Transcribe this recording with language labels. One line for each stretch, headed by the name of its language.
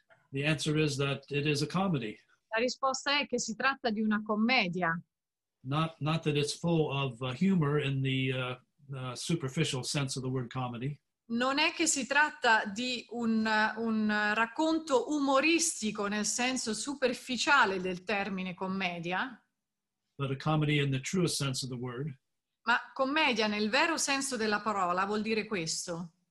English: The answer is that it is a comedy.
Italian: La risposta è che si tratta di una commedia.
English: Not that it's full of humor in the superficial sense of the word comedy.
Italian: Non è che si tratta di un racconto umoristico nel senso superficiale del termine commedia.
English: But a comedy in the truest sense of the word.
Italian: Ma commedia nel vero senso della parola vuol dire questo.